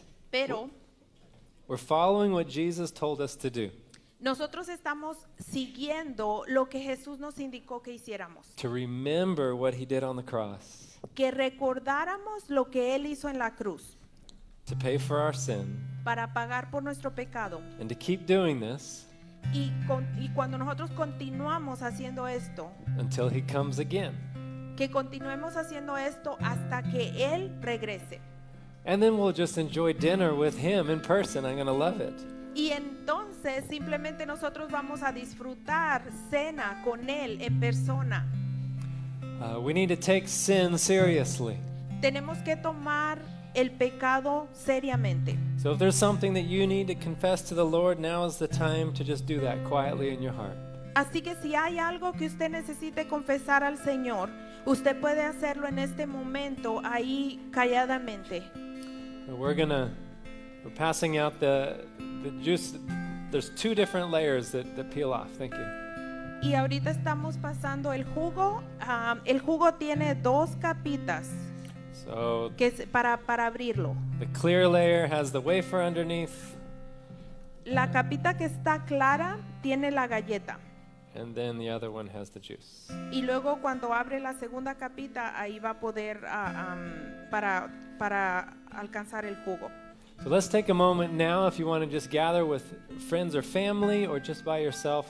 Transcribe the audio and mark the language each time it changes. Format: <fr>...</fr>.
<es>Pero</es> <en>we're following what Jesus told us to do.</en> <es>Nosotros estamos siguiendo lo que Jesús nos indicó que hiciéramos.</es> <en>To remember what he did on the cross.</en> <es>Que recordáramos lo que él hizo en la cruz.</es> <en>To pay for our sin.</en> <es>Para pagar por nuestro pecado.</es> <en>And to keep doing this.</en> <es>Y cuando nosotros continuamos haciendo esto.</es> <en>Until he comes again.</en> <es>Que continuemos haciendo esto hasta que él regrese.</es> <en>And then we'll just enjoy dinner with him in person. I'm going to love it.</en> <es>Y entonces simplemente nosotros vamos a disfrutar cena con él en persona.</es> <en>We need to take sin seriously.</en> <es>Tenemos que tomar el pecado seriamente.</es> <en>So if there's something that you need to confess to the Lord, now is the time to just do that quietly in your heart.</en> <es>Así que si hay algo que usted necesite confesar al Señor, usted puede hacerlo en este momento ahí calladamente.</es> <en>We're passing out the juice. There's two different layers that peel off. Thank you.</en> <es>Y ahorita estamos pasando el jugo. El jugo tiene dos capitas.</es> <en>So</en> <es>que es para abrirlo.</es> <en>The clear layer has the wafer underneath.</en> <es>La capita que está clara tiene la galleta.</es> <en>And then the other one has the juice.</en> <es>Y luego cuando abre la segunda capita, ahí va a poder para alcanzar el jugo.</es> <en>So let's take a moment now if you want to just gather with friends or family or just by yourself.</en>